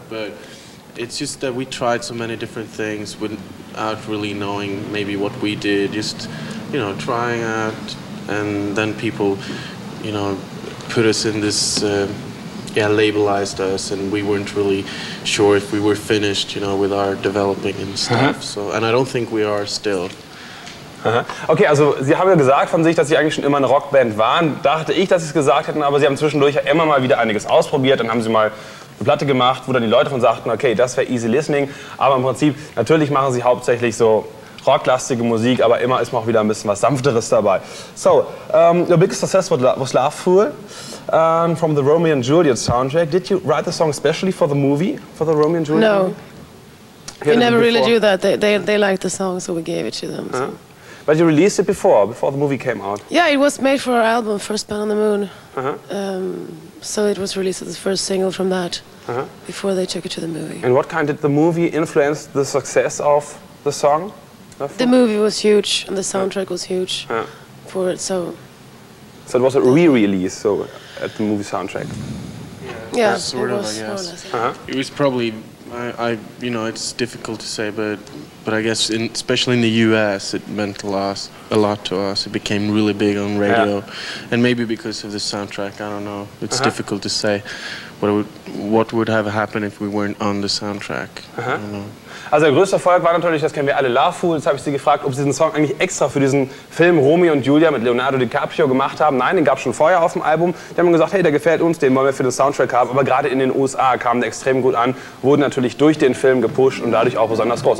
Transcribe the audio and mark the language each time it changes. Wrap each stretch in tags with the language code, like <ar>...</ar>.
<en>But it's just that we tried so many different things without really knowing maybe what we did, just, you know, trying out. And then people, you know, put us in this, labelized us, and we weren't really sure if we were finished, you know, with our developing and stuff. Uh-huh. So, and I don't think we are still. Uh-huh.</en> <de>Okay, also Sie haben ja gesagt von sich, dass Sie eigentlich schon immer eine Rockband waren. Dachte ich, dass Sie es gesagt hätten, aber Sie haben zwischendurch ja immer mal wieder einiges ausprobiert. Dann haben Sie mal eine Platte gemacht, wo dann die Leute von sagten, okay, das wäre easy listening. Aber im Prinzip, natürlich machen Sie hauptsächlich so rocklastige Musik, aber immer ist man auch wieder ein bisschen was Sanfteres dabei.</de> <en>So, your biggest success was Laughful from the Romeo and Juliet soundtrack. Did you write the song specially for the movie, for the Romeo and Juliet No. movie? No, we never really do that. They liked the song, so we gave it to them. So. But you released it before the movie came out. Yeah, it was made for our album, First Man on the Moon. Uh-huh. So it was released as the first single from that, uh-huh, before they took it to the movie. And what kind did the movie influence the success of the song? The movie was huge, and the soundtrack was huge for it, so... So it was a re-release, so, at the movie soundtrack? Yeah, sort of, I guess. Uh-huh. It was probably, you know, it's difficult to say, but I guess, especially in the US, it meant a lot to us. It became really big on radio, and maybe because of the soundtrack, I don't know. It's difficult to say what would have happened if we weren't on the soundtrack. I don't know.</en> <de>Also der größte Erfolg war natürlich, das kennen wir alle, Laughful. Jetzt habe ich Sie gefragt, ob Sie diesen Song eigentlich extra für diesen Film Romeo und Julia mit Leonardo DiCaprio gemacht haben. Nein, den gab es schon vorher auf dem Album. Die haben gesagt, hey, der gefällt uns, den wollen wir für den Soundtrack haben. Aber gerade in den USA kam der extrem gut an, wurde natürlich durch den Film gepusht und dadurch auch besonders groß.</de>